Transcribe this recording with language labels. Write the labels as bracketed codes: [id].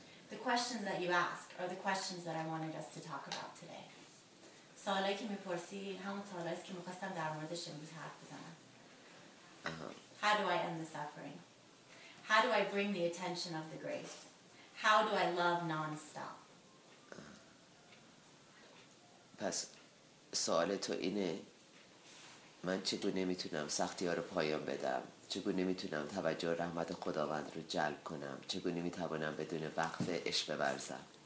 [en] The questions that you ask are the questions that I wanted us to talk about today. [fa] سوالی که می‌پرسی همون سوالی است که می‌خواستم در موردش امروز حرف بزنم. [en] How do I end the suffering? How do I bring the attention of the grace? How do I love non-stop? [fa] پس سوال تو اینه، من چگونه میتونم سختی ها رو پایان بدم؟ چگونه میتونم توجه رحمت خداوند رو جلب کنم؟ چگونه میتوانم بدون وقت عشق ببرزم؟